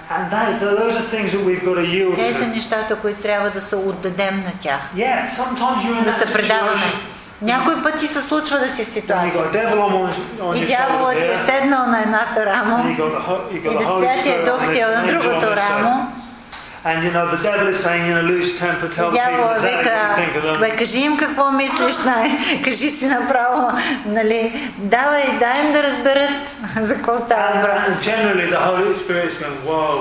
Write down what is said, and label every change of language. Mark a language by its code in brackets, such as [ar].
[en] And that, those are things that we've got to yield to. [bg] Те са нещата, които трябва да се отдадем на тях. [en] Yeah, sometimes you're in [bg] да се предаваме. Някой път ти се случва да си в ситуация. И дяволът ти е седнал на едната рама и да Святия Дух ти е на другото рамо. [en] And you know the devil is saying, you know, lose temper, tell the people that you think of them. [bg] Бе, кажи им какво мислиш, най. Кажи си направо, нали? Давай, дай им да разберат за какво става въпрос. [en] And generally the Holy Spirit is going, whoa.